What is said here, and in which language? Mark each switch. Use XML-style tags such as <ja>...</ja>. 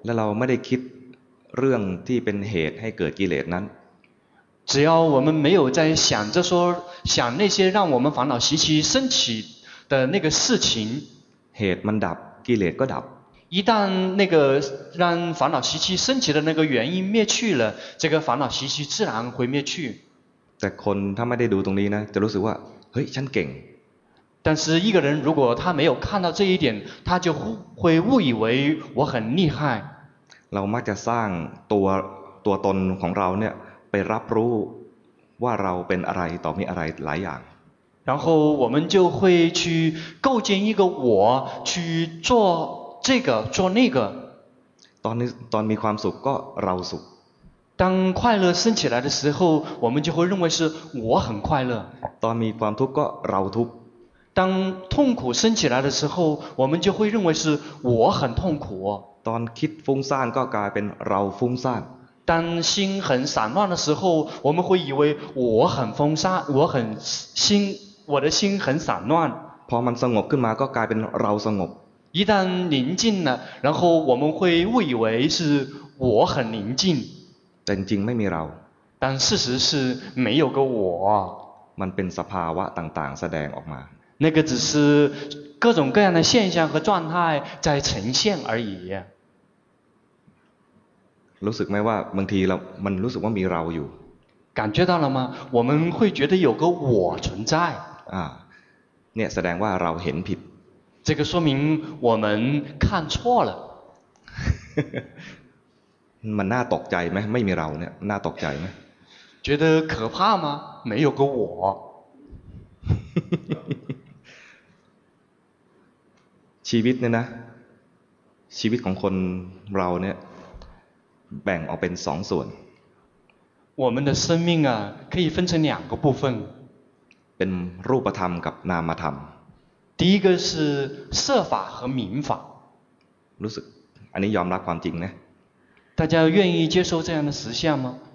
<th>และเราไม่ได้คิดเรื่องที่เป็นเหตุให้เกิดกิเลสนั้น</th> <zh>只要我们没有在想着说想那些让我们烦恼习气升起的那个事情</zh> <th>เหตุมันดับกิเลสก็ดับ</th> <zh>一旦那个让烦恼习气升起的那个原因灭去了这个烦恼习气自然会灭去</zh> <th>แต่คนถ้าไม่ได้ดูตรงนี้นะจะรู้สึกว่าเฮ้ยฉันเก่ง</th> <zh>但是一个人如果他没有看到这一点他就会误以为我很厉害</zh> <th>เรามักจะสร้างตัวตนของเราเนี่ยไปรับรู้ว่าเราเป็นอะไรต่อมีอะไรหลายอย่าง</th> <zh>然后我们就会去构建一个我去做这个做那个</zh> <th>ตอนมีความสุขก็เราสุข</th> <zh>当快乐升起来的时候我们就会认为是我很快乐</zh> <th>ตอนมีความทุกข์ก็เราทุกข์</th> <zh>当痛苦升起来的时候我们就会认为是我很痛苦</zh> <th>ตอนคิดฟุ้งซ่านก็กลายเป็นเราฟุ้งซ่าน</th> <zh>当心很散乱的时候我们会以为我很风沙我很心我的心很散乱</zh> <th>พอมันสงบขึ้นมาก็กลายเป็นเราสงบ</th> <zh>一旦宁静了然后我们会误以为是我很宁静</zh> <th>แต่จริงไม่มีเรา</th> <zh>但事实是没有个我</zh> <th>มันเป็นสภาวะต่างๆแสดงออกมา</th> <zh>那个只是各种各样的现象和状态在呈现而已。</zh> <th>รู้สึกไหมว่าบางทีเรามันรู้สึกว่ามีเราอยู่</th> <zh>感觉到了吗？我们会觉得有个我存在。</zh> <th>啊，เนี่ยแสดงว่าเราเห็นผิด。</th> <zh>这个说明我们看错了。</zh> <th>มันน่าตกใจไหมไม่มีเราเนี่ยน่าตกใจไหม？</th> <zh>觉得可怕吗？没有个我。</zh> <th>ชีวิตเนี่ยนะชีวิตของคนเราเนี่ยแบ่งออกเป็นสองส่วน</th> <zh>我们的生命啊可以分成两个部分</zh> <th>เป็นรูปธรรมกับนามธรรม</th> <zh>第一个是色法和名法</zh> <th>รู้สึกอันนี้ยอมรับความจริงนะ</th> <zh>大家愿意接受这样的实相吗</zh>